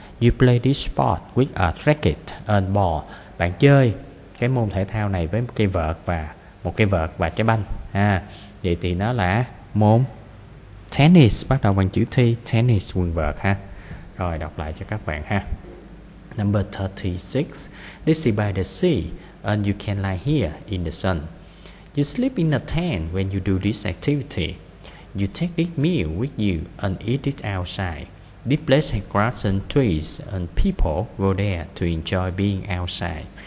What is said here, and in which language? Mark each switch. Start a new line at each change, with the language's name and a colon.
English: You play this sport with a racket and ball.
Vietnamese: Bạn chơi cái môn thể thao này với một cây vợt và trái banh. À, vậy thì nó là môn tennis, bắt đầu bằng chữ T, tennis, quần vợt ha. Rồi đọc lại cho các bạn ha.
English: Number 36. This is by the sea and you can lie here in the sun. You sleep in a tent when you do this activity. You take this meal with you and eat it outside. This place has grass and trees and people go there to enjoy being outside.